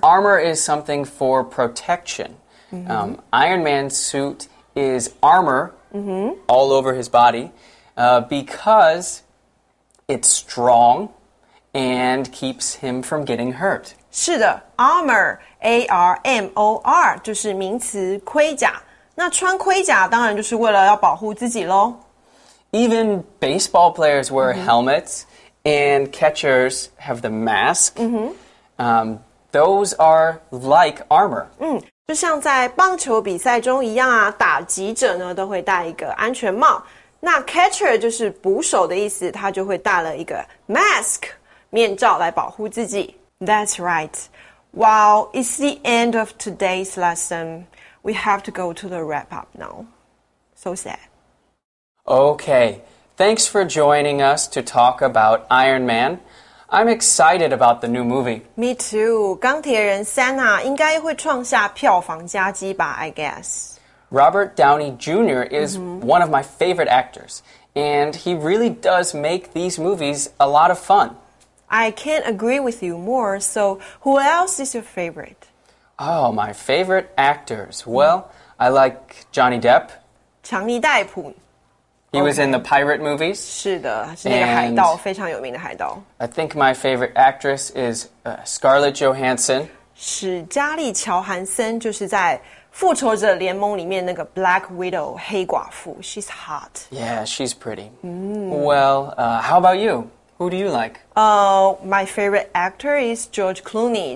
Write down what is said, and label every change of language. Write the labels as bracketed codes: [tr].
[en] Armor is something for protection. Iron Man's suit is armor all over his body because it's strong and keeps him from getting hurt. [zh] 是的 ,armor, A-R-M-O-R, 就是名词盔甲。那穿盔甲当然就是为了要保护自己咯。 [en] Even baseball players wear helmets and catchers have the mask. Those are like armor. [zh] 就像在棒球比赛中一样啊，打击者呢都会戴一个安全帽。那 catcher 就是捕手的意思，他就会戴了一个 mask 面罩来保护自己。 [en] That's right. Well, it's the end of today's lesson. We have to go to the wrap up now. So sad. Okay. Thanks for joining us to talk about Iron Man. I'm excited about the new movie. Me too. [zh] 钢铁人三啊应该会创下票房佳绩吧 [en] I guess. Robert Downey Jr. is、mm-hmm. one of my favorite actors, and he really does make these movies a lot of fun. I can't agree with you more, so who else is your favorite? Oh, my favorite actors. Well, I like Johnny Depp. [zh] 强尼戴普 [en] He was、okay. in the pirate movies. [zh] 是的，是那个海盗，非常有名的海盗。 [en] I think my favorite actress is、Scarlett Johansson. [zh] 史嘉丽·乔韩森就是在《复仇者联盟》里面那个 Black Widow 黑寡妇。 [en] She's hot. Yeah, she's pretty.、Mm. Well,、how about you? Who do you like? My favorite actor is George Clooney.